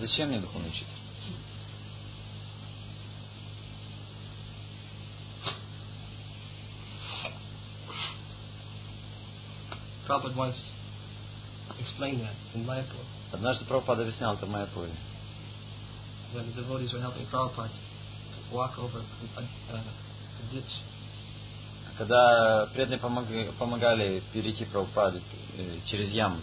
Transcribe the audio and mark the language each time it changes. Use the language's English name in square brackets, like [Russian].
[Russian] Зачем мне духовный учитель? [English] Prabhupada once explained that in Mayapur. [Russian] Однажды Прабхупада объяснял это в Майяпуре. [English] When the devotees were helping Prabhupada walk over a ditch. [Russian] Когда преданные помогали перейти Прабхупаде через яму.